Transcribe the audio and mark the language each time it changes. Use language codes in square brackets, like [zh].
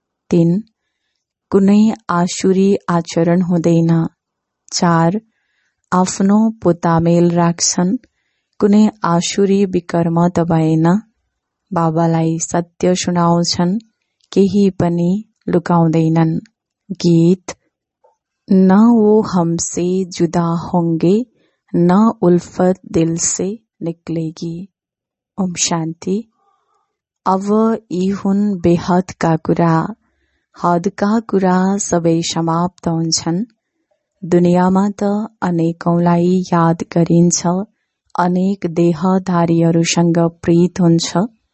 [ne] तीन, कुनै आसुरी आचरण हुँदैन। चार, आफ्नो पोतामेल राख्छन्, कुनै आसुरी विकर्म त भएन। बाबालाई सत्य सुनाउँछन्, केही पनि लुकाउँदैनन्। [hi] गीत: न वो हमसे जुदा होंगे, न उल्फत दिल से निकलेगी। [ne] ओम शांति। अब यी हुन् बेहद का कुरा, हदका कुरा सबै समाप्त हुन्छन्। दुनियामा त अनेकौंलाई याद गरिन्छ, अनेक देहधारीहरूसँग प्रीत हुन्छ।